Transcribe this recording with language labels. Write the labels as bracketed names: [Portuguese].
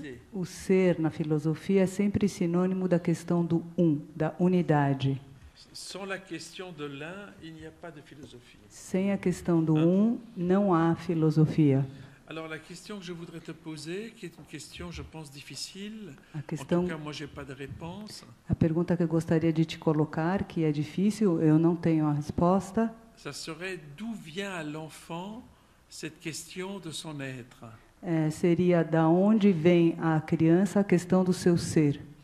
[Portuguese] O ser na filosofia é sempre sinônimo da questão do um, da unidade. [French] Sans la question de l'un, il n'y a pas de philosophie. [Portuguese] Sem a questão do um, não há filosofia. [French] Alors la question que je voudrais te poser, qui est une question, je pense, difficile. [Portuguese] A questão, [French] en tout cas, moi, j'ai pas de réponse. [Portuguese] A pergunta que eu gostaria de te colocar, que é difícil, eu não tenho a resposta. [French] Ça serait d'où vient à l'enfant cette question de son être. [Portuguese] É, seria da onde vem à criança a questão do seu ser.